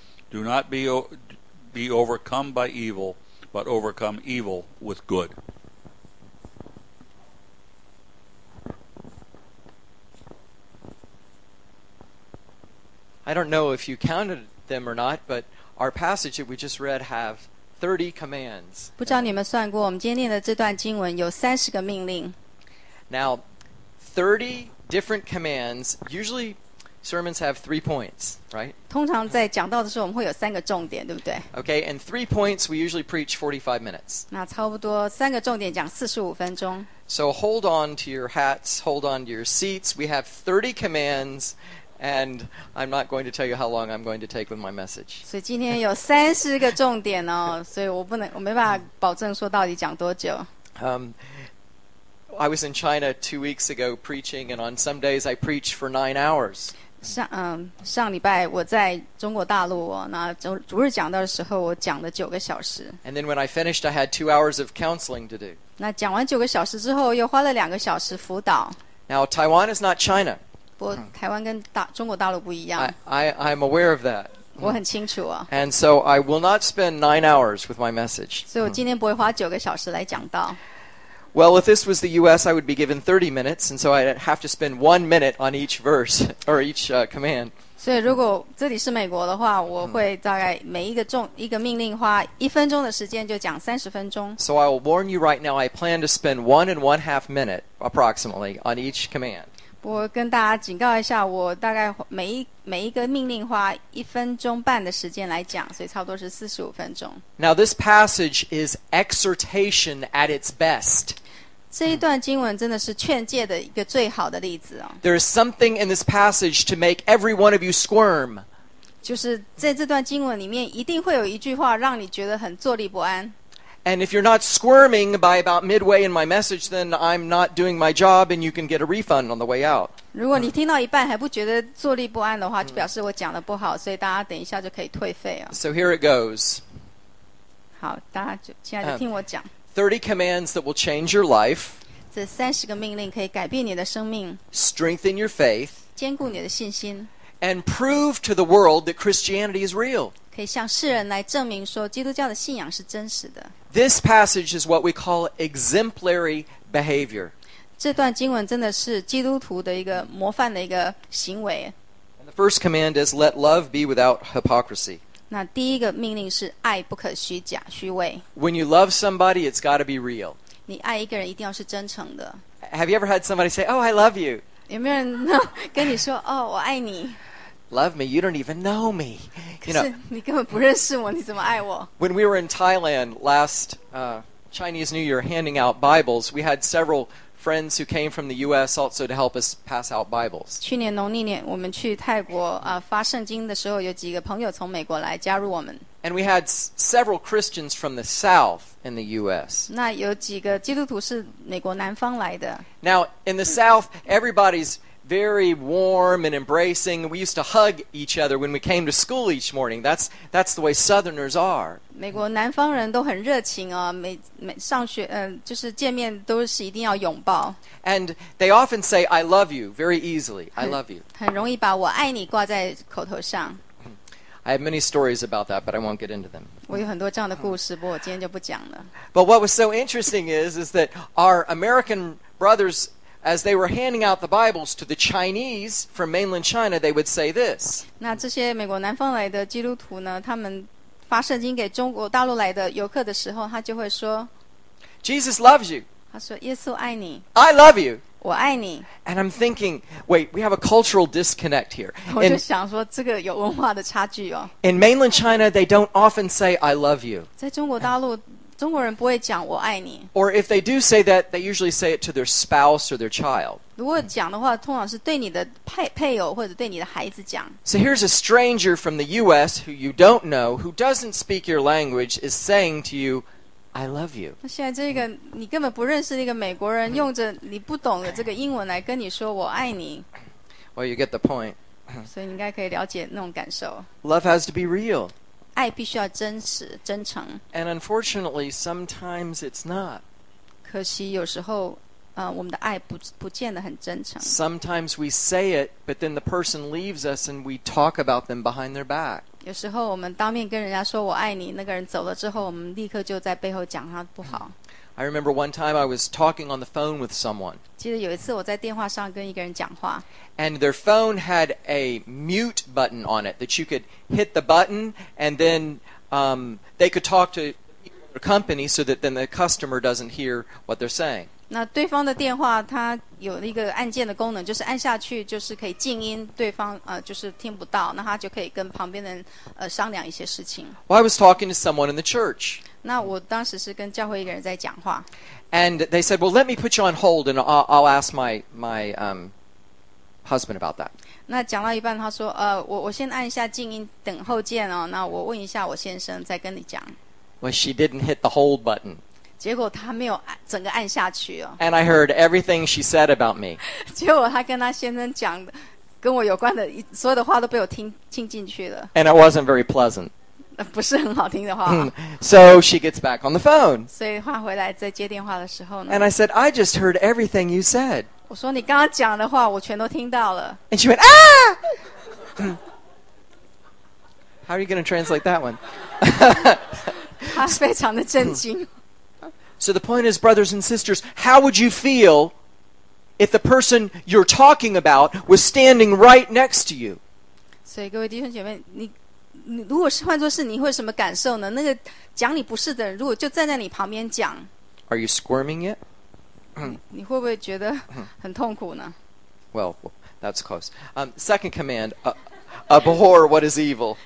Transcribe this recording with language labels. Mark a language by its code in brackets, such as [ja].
[en] Do not be overcome by evil, but overcome evil with good. I don't know if you counted them or not, but our passage that we just read have 30 commands. [zh] 不知道你们算过，我们今天念的这段经文有30个命令。 [en] Now, 30 different commands, usually sermons have 3 points, right? [zh] 通常在讲到的时候，我们会有三个重点，对不对？ [en] Okay, and 3 points, we usually preach 45 minutes. [zh] 那差不多三个重点讲45分钟。 [en] So hold on to your hats, hold on to your seats. We have 30 commands. And I'm not going to tell you how long I'm going to take with my message. [zh] 所以今天有三十个重点哦，所以我不能，我没办法保证说到底讲多久。 [en] I was in China 2 weeks ago preaching, and on some days I preach for 9 hours. [zh] 上礼拜我在中国大陆那主日讲道的时候我讲了九个小时 [en] And then when I finished I had 2 hours of counseling to do [zh] 那讲完九个小时之后又花了两个小时辅导 [en] Now Taiwan is not China [zh] 不过台湾跟中国大陆不一样 [en] I'm aware of that [zh] 我很清楚啊 [en] And so I will not spend 9 hours with my message [zh] 所以我今天不会花九个小时来讲道 [en] Well, if this was the U.S., I would be given 30 minutes, and so I'd have to spend 1 minute on each verse, or each command. [zh] 所以如果这里是美国的话，我会大概每一个重一个命令花一分钟的时间就讲三十分钟。 [en] So I will warn you right now, I plan to spend 1.5 minutes, approximately, on each command. [zh] 我跟大家警告一下，我大概每一个命令花一分钟半的时间来讲，所以差不多是45分钟。 [en] Now this passage is exhortation at its best. [zh] 这一段经文真的是劝诫的一个最好的例子哦。 [en] There is something in this passage to make every one of you squirm. [zh] 就是在这段经文里面，一定会有一句话让你觉得很坐立不安。 [en] And if you're not squirming by about midway in my message, then I'm not doing my job and you can get a refund on the way out. [zh] 如果你听到一半还不觉得坐立不安的话，就表示我讲得不好，所以大家等一下就可以退费啊。 [en] So here it goes. [zh] 好，大家就现在就听我讲。 [en] 30 commands that will change your life. [zh] 这三十个命令可以改变你的生命。 [en] Strengthen your faith. [zh] 坚固你的信心。 [en] And prove to the world that Christianity is real. [zh] 可以向世人来证明说基督教的信仰是真实的。 [en] This passage is what we call exemplary behavior. [zh] 这段经文真的是基督徒的一个模范的一个行为。 [en] And the first command is let love be without hypocrisy. [zh] 那第一个命令是爱不可虚假虚伪。 [en] When you love somebody, it's got to be real. [zh] 你爱一个人一定要是真诚的。 [en] Have you ever had somebody say, "Oh, I love you"? [zh] 有没有人跟你说，哦，我爱你？ [en] Love me, you don't even know me. You know, [zh] 你根本不认识我，你怎么爱我？ [en] When we were in Thailand last Chinese New Year handing out Bibles, we had several friends who came from the U.S. also to help us pass out Bibles. [zh] 去年农历年我们去泰国发圣经的时候有几个朋友从美国来加入我们。 [en] And we had several Christians from the South in the U.S. [zh] 那有几个基督徒是美国南方来的。 [en] Now, in the South, everybody's very warm and embracing. We used to hug each other when we came to school each morning. That's the way Southerners are. [zh] 美国南方人都很热情啊，每上学，就是见面都是一定要拥抱。 [en] And they often say, "I love you," very easily. I love you. [zh] 很容易把我爱你挂在口头上。 [en] I have many stories about that, but I won't get into them. [zh] 我有很多这样的故事，不过我今天就不讲了。 [en] But what was so interesting is that our American brothers. As they were handing out the Bibles to the Chinese from mainland China, they would say this. [zh] 那这些美国南方来的基督徒呢，他们发圣经给中国大陆来的游客的时候，他就会说 [en] ，Jesus loves you. [zh] 他说耶稣爱你。 [en] I love you. [zh] 我爱你。 [en] And I'm thinking, wait, we have a cultural disconnect here. [zh] 我就想说这个有文化的差距哦。 [en] In mainland China, they don't often say I love you. [zh] 在中国大陆。中国人不会讲我爱你。 [en] Or if they do say that, they usually say it to their spouse or their child. [zh] 如果讲的话，通常是对你的配偶或者对你的孩子讲。 [en] So here's a stranger from the U.S. who you don't know, who doesn't speak your language, is saying to you, "I love you." [zh] 现在这个你根本不认识那个美国人，用着你不懂的这个英文来跟你说我爱你。 [en] Well, you get the point. [zh] 所以你应该可以了解那种感受。 [en] Love has to be real. [zh] 爱必须要真实真诚 [en] And unfortunately, sometimes it's not. [zh] 可惜有时候我们的爱不见得很真诚 [en] Sometimes we say it, but then the person leaves us and we talk about them behind their back. [zh] 有时候我们当面跟人家说我爱你那个人走了之后我们立刻就在背后讲他不好 [en] I remember one time I was talking on the phone with someone. [zh] 记得有一次我在电话上跟一个人讲话 [en] And their phone had a mute button on it that you could hit the button and then they could talk to their company so that then the customer doesn't hear what they're saying. [zh] 那对方的电话它有一个按键的功能就是按下去就是可以静音对方就是听不到那他就可以跟旁边的人商量一些事情。 [en] Well, I was talking to someone in the church. [zh] 那我当时是跟教会一个人在讲话。 [en] And they said, well, let me put you on hold and I'll ask my husband about that. [zh] 那讲到一半他说我先按一下静音等候键哦那我问一下我先生再跟你讲。 [en] Well, she didn't hit the hold button. [zh] 结果他没有整个按下去哦。 [en] And I heard everything she said about me. [zh] 结果他跟他先生讲跟我有关的所有的话都被我听进去了。 [en] And it wasn't very pleasant. [zh] 不是很好听的话。 [en] So she gets back on the phone. [zh] 所以换回来在接电话的时候呢。 [en] And I said, I just heard everything you said. [zh] 我说你刚刚讲的话我全都听到了。 [en] And she went, How are you going to translate that one? [zh] 她非常的震惊。 [en] So the point is, brothers and sisters, how would you feel if the person you're talking about was standing right next to you? [zh] 所以各位弟兄姐妹，你如果是换作是你会有什么感受呢？那个讲你不是的人，如果就站在你旁边讲 [en] ，Are you squirming yet? [zh] 你会不会觉得很痛苦呢 [en] ？Well, that's close. Second command, abhor what is evil.